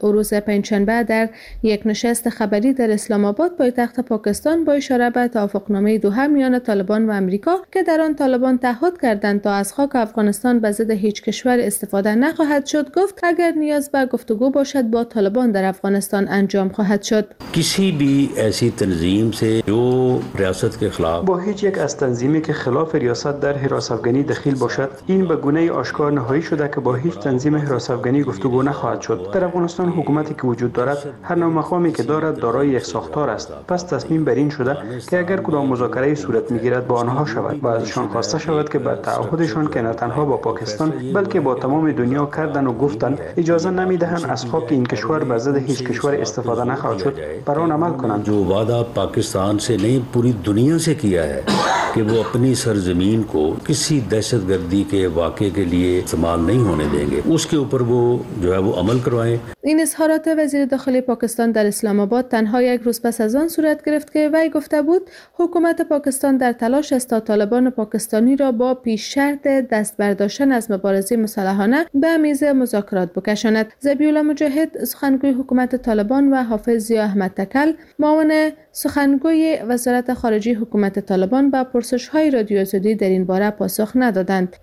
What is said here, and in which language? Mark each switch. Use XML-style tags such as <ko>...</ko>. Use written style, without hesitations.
<fa>او روز پنجشنبه در یک نشست خبری در اسلام آباد پایتخت پاکستان با اشاره به توافقنامه دوحه میان طالبان و آمریکا که در آن طالبان تعهد کردند تا از خاک افغانستان به ضد هیچ کشور استفاده نخواهد شد گفت اگر نیاز به گفتگو باشد با طالبان در افغانستان انجام خواهد شد.</fa> <ur>کسی بی ایسی تنظیم سے جو ریاست کے خلاف</ur> <fa>با هیچ یک از تنظیمی که خلاف ریاست در حراس افغانی دخیل باشد، این به گونه آشکار نهایی شده که با هیچ تنظیم حراس افغانی گفتگو نخواهد شد. در افغانستان حکومتی که وجود دارد، هر نوع مقامی که دارد دارای یک ساختار است. پس تصمیم بر این شده که اگر کدام مذاکره صورت میگیرد با آنها شود و ازشان خواسته شود که بر تعهدشان که نه تنها با پاکستان بلکه با تمام دنیا کردن و گفتن اجازه نمیدهند از خاک این کشور به ضد هیچ کشور استفاده نخواهد شد بر آن عمل کنند.</fa> <ur>جو وعده پاکستان سے نہیں پوری دنیا سے کیا ہے کہ وہ اپنی سرزمین کو کسی دہشت گردی کے واقعے کے لیے استعمال نہیں ہونے دیں گے اس کے اوپر وہ جو ہے وہ عمل کروائیں.</ur> <fa>این اظهارات وزیر داخلی پاکستان در اسلام آباد تنها یک روز پس از آن صورت گرفت که وی گفته بود حکومت پاکستان در تلاش است تا طالبان پاکستانی را با پیش شرط دست برداشتن از مبارزه مصالحانه به میز مذاکرات بکشاند. ذبیح‌الله مجاهد سخنگوی حکومت طالبان و حافظ ضیاء احمد تکل معاون سخنگوی وزارت خارجه حکومت طالبان به پرسش‌های رادیو آزادی در این باره پاسخ ندادند.</fa>